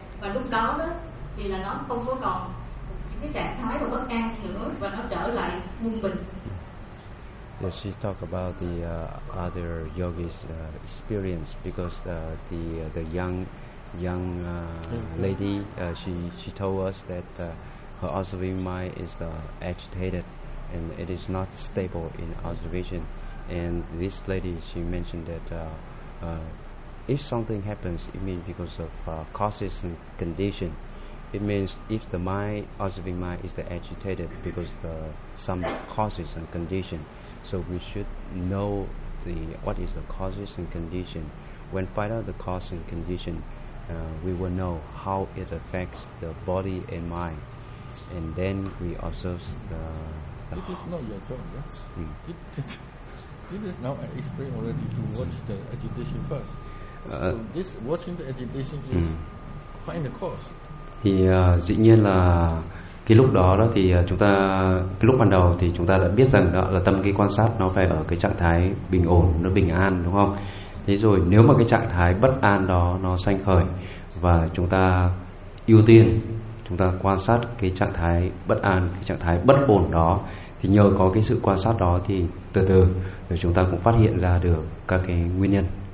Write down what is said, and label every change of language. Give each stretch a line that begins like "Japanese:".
Vietnamese: Và lúc đó đó thì là nó không có còn những cái trạng thái và bất an nữa, và nó trở lại nguyên bình.
English: Yeah, she talked about the other yogis' experience, because the young lady, she told us that her observing mind is agitated and it is not stable in observation. And this lady, she mentioned that if something happens, it means because of causes and condition. It means if the mind, observing mind, is agitated because the some causes and condition. So we should know what is the causes and condition. When find out the cause and condition, we will know how it affects the body and mind. And then we observe the it is not your job, yeah? This is now I explain already to watch the agitation first. So this watching the agitation is find the cause.
Vietnamese: Thì dĩ nhiên là cái lúc đó đó thì chúng ta, cái lúc ban đầu thì chúng ta đã biết rằng đó là tâm cái quan sát nó phải ở cái trạng thái bình ổn, nó bình an, đúng không? Thế rồi nếu mà cái trạng thái bất an đó nó sanh khởi và chúng ta ưu tiên, chúng ta quan sát cái trạng thái bất an, cái trạng thái bất ổn đó, thì nhờ có cái sự quan sát đó thì từ từ rồi chúng ta cũng phát hiện ra được các cái nguyên nhân.